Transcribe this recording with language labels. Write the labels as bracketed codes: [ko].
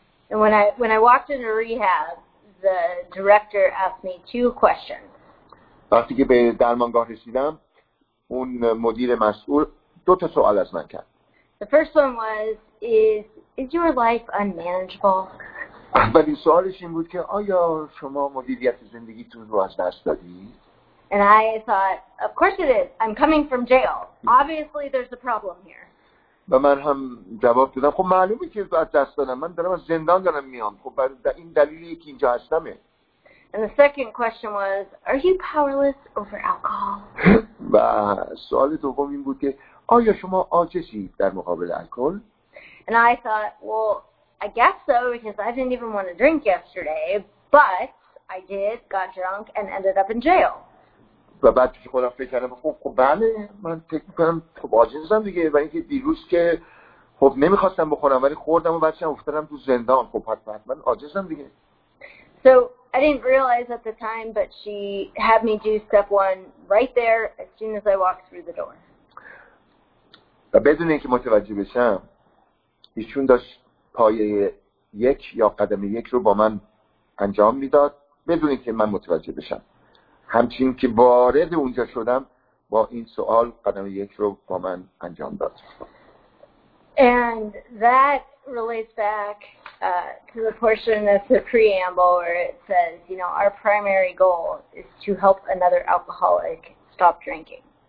[en] And when I walked into rehab, the director asked me 2 questions. [fa] وقتی که به درمانگاه رسیدم اون مدیر مسئول 2 سوال از من کرد. [en] The first one was is your life unmanageable? [fa] اولین سوالش این بود که آیا شما مدیریت زندگیتون رو از دست دادید؟ [en] And I thought, of course it is. I'm coming from jail. Obviously there's a problem here. [fa] و من هم جواب دادم خب معلومه که از دست دادم، من دارم از زندان دارم میام، خب این دلیلیه که اینجا هستمه. [en] And the second question was, are you powerless over alcohol? [fa] و سوال دوم این بود که آیا شما عاجزی در مقابل الکل؟ [en] And I thought, well, I guess so because I didn't even want to drink yesterday, but I did, got drunk and ended up in jail. [fa] و بعد پیش خودم فکر کردم خب بله من فکر می‌کنم خب عاجزم دیگه، و اینکه دیروز که خب نمی‌خواستم بخورم ولی خوردم و بعدش افتادم تو زندان، خب حتما عاجزم دیگه. [en] So I didn't realize at the time, but she had me do step one right there as soon as I walked through the door. [fa] و بدون اینکه متوجه بشم ایشون داشت پایه یک یا قدم یک رو با من انجام میداد بدون اینکه من متوجه بشم. همچنین که وارد اونجا شدم با این سوال قدم یک رو با من انجام داد. [en] And that relates back to the portion of the preamble where it says, you know, our primary goal is to help another alcoholic stop drinking.